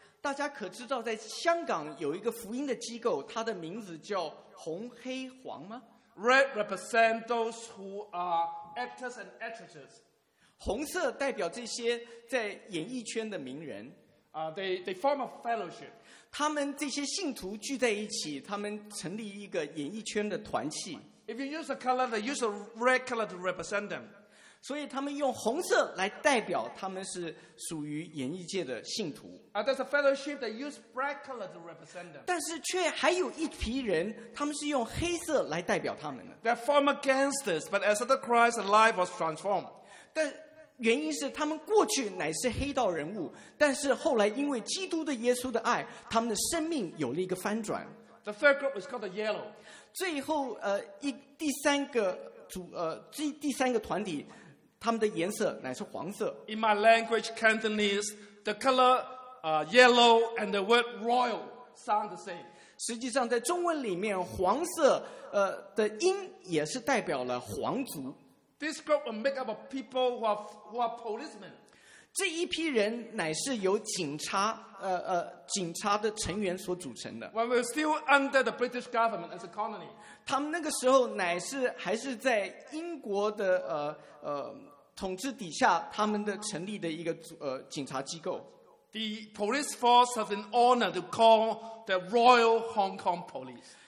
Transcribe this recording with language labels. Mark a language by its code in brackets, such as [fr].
[zh] 大家可知道，在香港有一个福音的机构，它的名字叫红、黑、黄吗 [en] ？Red represent those who are actors and actresses. [zh] 红色代表这些在演艺圈的名人。 [en] They form a fellowship. [zh] 他们这些信徒聚在一起，他们成立一个演艺圈的团契。 [en] If you use a color, they use a red color to represent them. [zh] 所以他们用红色来代表他们是属于演艺界的信徒。 [en] There's a fellowship that use black color to represent them. [zh] 但是却还有一批人，他们是用黑色来代表他们的。 [en] They're former gangsters, but as the Christ, their life was transformed. [zh] 但原因是他们过去乃是黑道人物，但是后来因为基督的耶稣的爱，他们的生命有了一个翻转。 [en] The third group is called the yellow. [zh] 最后第三个团体，他们的颜色乃是黄色。 [en] In my language, Cantonese, the color yellow and the word royal sound the same. [zh] 实际上在中文里面，黄色的音也是代表了皇族。 [en] This group will make up of people who are policemen. [zh] 这一批人乃是由警察的成员所组成的。 [en] When we're still under the British government as a colony. [zh] 他们那个时候乃是还是在英国的统治底下，他们的成立的一个警察机构。 [en] The police force has an honor to call the Royal Hong Kong Police.